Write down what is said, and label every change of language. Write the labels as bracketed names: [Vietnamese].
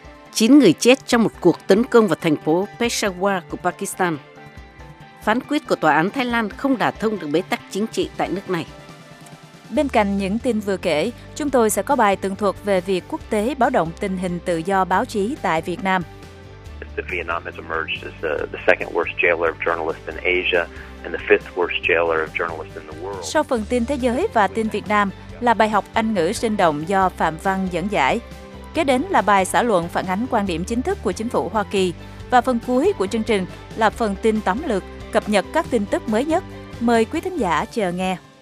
[Vietnamese] 9 người chết trong một cuộc tấn công vào thành phố Peshawar của Pakistan. Phán quyết của Tòa án Thái Lan không đả thông được bế tắc chính trị tại nước này. Bên cạnh những tin vừa kể, chúng tôi sẽ có bài tường thuật về việc quốc tế báo động tình hình tự do báo chí tại Việt Nam. [English] Vietnam has emerged as the second worst jailer of journalists in Asia and the fifth worst jailer of journalists in the world. [Vietnamese] Sau phần tin thế giới và tin Việt Nam là bài học Anh ngữ sinh động do Phạm Văn dẫn giải. Kế đến là bài xã luận phản ánh quan điểm chính thức của chính phủ Hoa Kỳ. Và phần cuối của chương trình là phần tin tóm lược, cập nhật các tin tức mới nhất. Mời quý thính giả chờ nghe.